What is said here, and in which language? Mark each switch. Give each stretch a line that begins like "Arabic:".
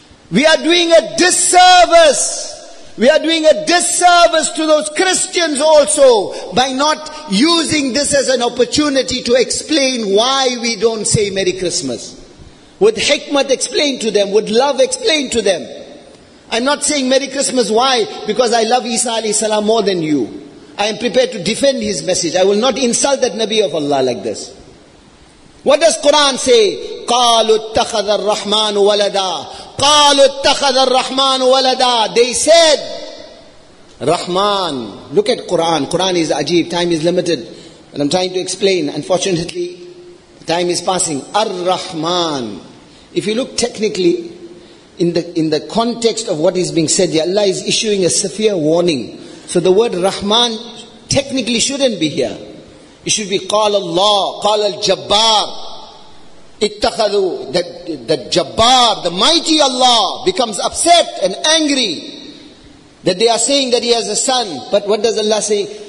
English: We are doing a disservice. We are doing a disservice to those Christians also by not using this as an opportunity to explain why we don't say Merry Christmas. With hikmat, explain to them. With love, explain to them. I'm not saying Merry Christmas. Why? Because I love Isa alayhi salam more than you. I am prepared to defend his message. I will not insult that Nabi of Allah like this. What does Quran say?
Arabic: قَالُ اتَّخَذَ الرَّحْمَانُ وَلَدًا قَالُ اتَّخَذَ الرَّحْمَانُ وَلَدًا
English: They said, Rahman. Look at Quran. Quran is ajeeb. Time is limited. And I'm trying to explain. Unfortunately, time is passing. Ar-Rahman. If you look technically, in the context of what is being said, Allah is issuing a severe warning. So the word Rahman technically shouldn't be here. It should be
Arabic: قَالَ اللَّهُ قَالَ الْجَبَّارُ اتَّخَذُوا
English: that Jabbar, the mighty Allah, becomes upset and angry that they are saying that he has a son. But what does Allah say?